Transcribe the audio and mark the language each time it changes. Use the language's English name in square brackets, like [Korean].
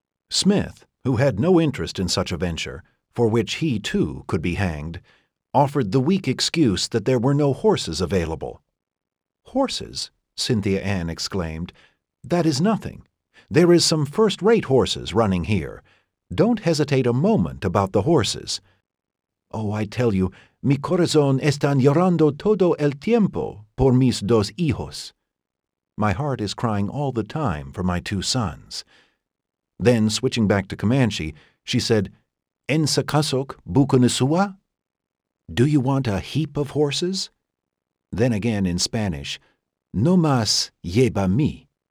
[English] Smith, who had no interest in such a venture, for which he, too, could be hanged, offered the weak excuse that there were no horses available. Horses? Cynthia Ann exclaimed. That is nothing. There is some first-rate horses running here. Don't hesitate a moment about the horses. Oh, I tell you, [Spanish] mi corazón está llorando todo el tiempo por mis dos hijos. [English] My heart is crying all the time for my two sons. Then, switching back to Comanche, she said, [Comanche] En sacasok bukunisua? [English] Do you want a heap of horses? Then again in Spanish, [Spanish] No mas lleva mi.